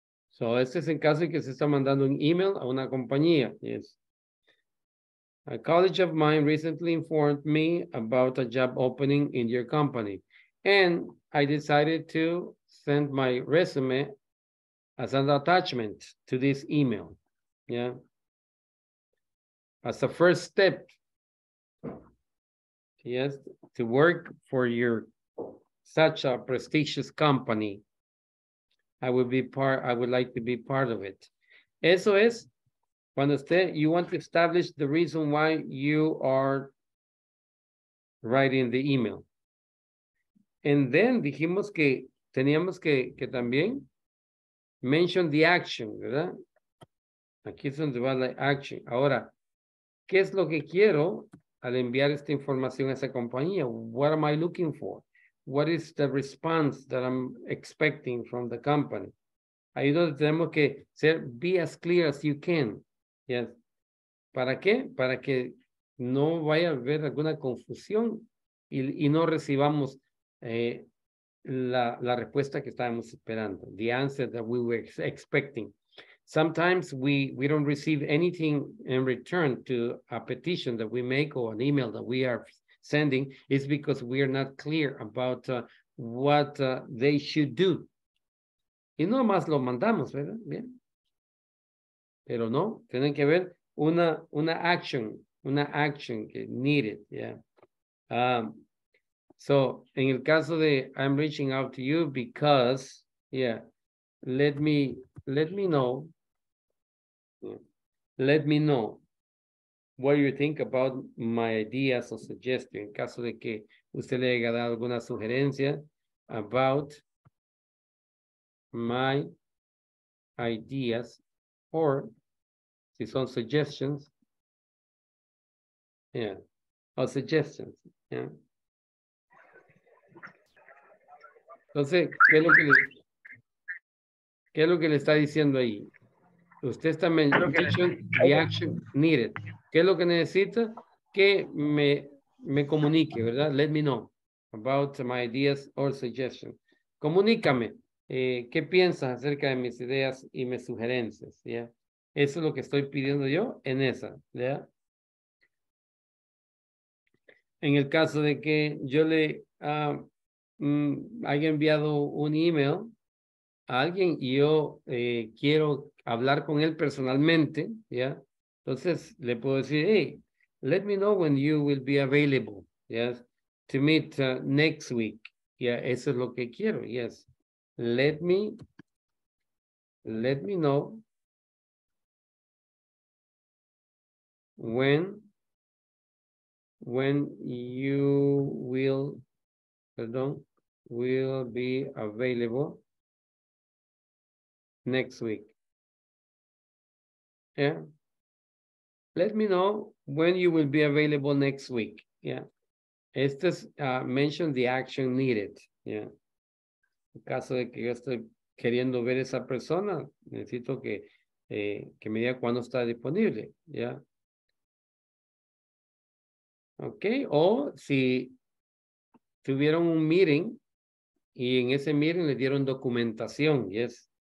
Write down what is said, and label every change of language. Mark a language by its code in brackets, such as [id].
[es] So, este es en caso que se está mandando un email a una compañía, yes. [en] A college of mine recently informed me about a job opening in your company, and I decided to send my resume as an attachment to this email, yeah, as a first step, yes, to work for your such a prestigious company. I would like to be part of it. [es] Eso es. Cuando usted, [en] you want to establish the reason why you are writing the email. And then [es] dijimos que teníamos que también [en] mention the action, [es] ¿verdad? Aquí es donde va la action. Ahora, ¿qué es lo que quiero al enviar esta información a esa compañía? [en] What am I looking for? What is the response that I'm expecting from the company? [es] Ahí donde tenemos que ser, [en] be as clear as you can. Yes. [es] ¿Para qué? Para que no vaya a haber alguna confusión y no recibamos la respuesta que estábamos esperando. [en] The answer that we were expecting. Sometimes we don't receive anything in return to a petition that we make or an email that we are sending. It's because we are not clear about what they should do. [es] Y no más lo mandamos, ¿verdad? Bien. Pero no, tiene que haber una action que needed, yeah. [en] So, [es] en el caso de [en] I'm reaching out to you because, yeah, let me know what you think about my ideas or suggestions. [es] En caso de que usted le haya dado alguna sugerencia [en] about my ideas or some suggestions, yeah, [es] or suggestions, yeah. Entonces, ¿qué es lo que le está diciendo ahí? Usted está mencionando [en] the action needed. [es] ¿Qué es lo que necesita? Que me comunique, ¿verdad? [en] Let me know about my ideas or suggestions. [es] Comunícame. ¿Qué piensas acerca de mis ideas y mis sugerencias? Yeah. Eso es lo que estoy pidiendo yo en esa, ¿ya? En el caso de que yo le haya enviado un email a alguien y yo quiero hablar con él personalmente, ¿ya? Entonces le puedo decir, [en] hey, let me know when you will be available, ¿yes? To meet next week, [es] ¿ya? Eso es lo que quiero, ¿yes? [en] Let me know when you will be available next week. Yeah. Let me know when you will be available next week. Yeah. Estas mention the action needed. Yeah. [es] En caso de que yo estoy queriendo ver esa persona, necesito que me diga cuándo está disponible. Yeah. Okay, o si tuvieron un meeting y en ese meeting le dieron documentación, yes,